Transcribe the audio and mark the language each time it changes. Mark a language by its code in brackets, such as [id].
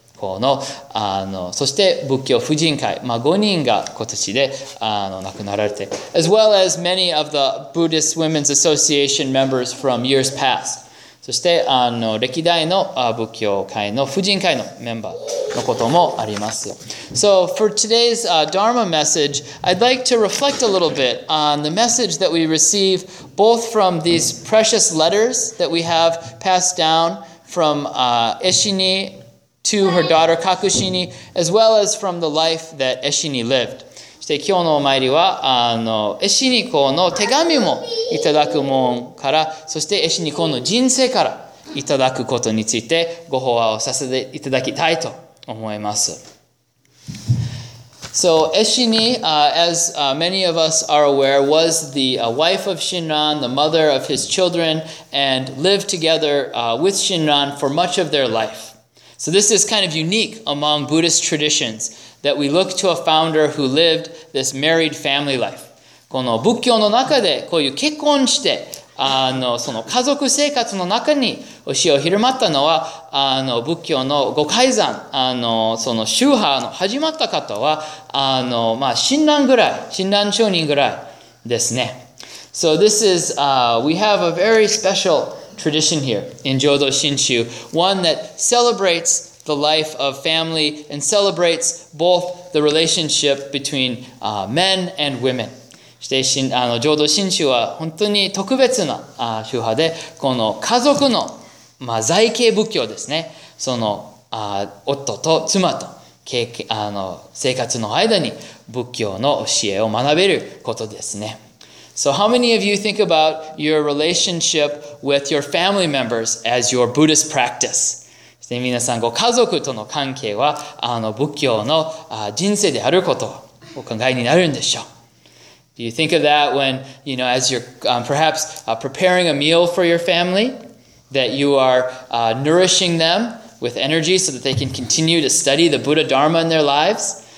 [ja] のそして仏教婦人会、まあ、5人が今年で亡くなられて、 [en] as well as many of the Buddhist Women's Association members from years past. [ja] そして歴代の仏教会の婦人会のメンバーのこともあります。 [en] So for today's Dharma message, I'd like to reflect a little bit on the message that we receive both from these precious letters that we have passed down from Eshini. To her daughter Kakushini, as well as from the life that Eshini lived. [ja] そして今日のお参りは、Eshini koの手紙もいただくもんから、そして Eshini koの人生からいただくことについてご法話をさせていただきたいと思います。 [en] So Eshini, as many of us are aware, was the wife of Shinran, the mother of his children, and lived together with Shinran for much of their life. So this is kind of unique among Buddhist traditions that we look to a founder who lived this married family life. [ja] この仏教の中でこういう結婚してその家族生活の中に教えを広まったのは、仏教の五戒山、その宗派の始まった方は、まあ、親鸞上人ぐらいですね。 [en] So this is, we have a very special tradition here in Jodo Shinshu, one that celebrates the life of family and celebrates both the relationship between, men and women. [ja] して、浄土真宗は本当に特別な宗派で、この家族の、まあ、在家仏教ですね。その、夫と妻と生活の間に仏教の教えを学べることですね。 [en] So how many of you think about your relationship with your family members as your Buddhist practice? [ja] して、皆さんご家族との関係は、仏教の人生であることをお考えになるんでしょう。 [en] You think of that when, you know, as you're perhaps preparing a meal for your family, that you are nourishing them with energy so that they can continue to study the Buddha Dharma in their lives.